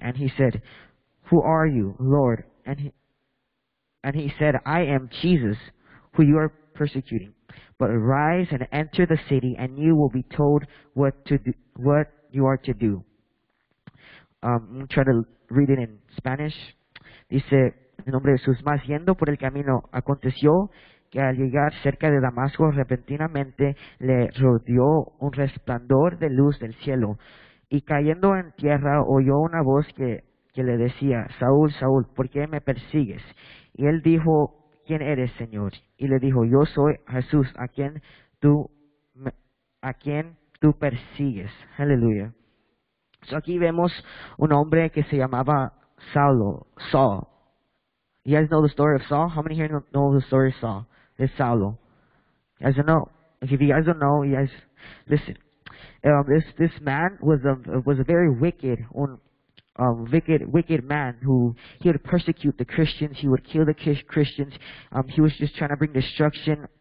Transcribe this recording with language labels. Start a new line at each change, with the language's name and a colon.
English: And he said, who are you, Lord? And he said, I am Jesus, who you are persecuting. But arise and enter the city, and you will be told what to do, what you are to do. I'm going to try to read it in Spanish.
Spanish: Dice, en nombre de Jesús, más yendo por el camino, aconteció que al llegar cerca de Damasco, repentinamente le rodeó un resplandor de luz del cielo. Y cayendo en tierra, oyó una voz que le decía, Saúl, Saúl, ¿por qué me persigues? Y él dijo, ¿quién eres, Señor? Y le dijo, yo soy Jesús, a quien tú persigues. Aleluya.
English: So
Spanish: aquí vemos un hombre que se llamaba Saulo, Saul.
English: You guys know the story of Saul? How many here know the story of Saul? It's Saulo. You guys don't know? If you guys don't know, you guys, listen. This man was a very wicked, wicked man who, he would persecute the Christians, he would kill the Christians, he was just trying to bring destruction.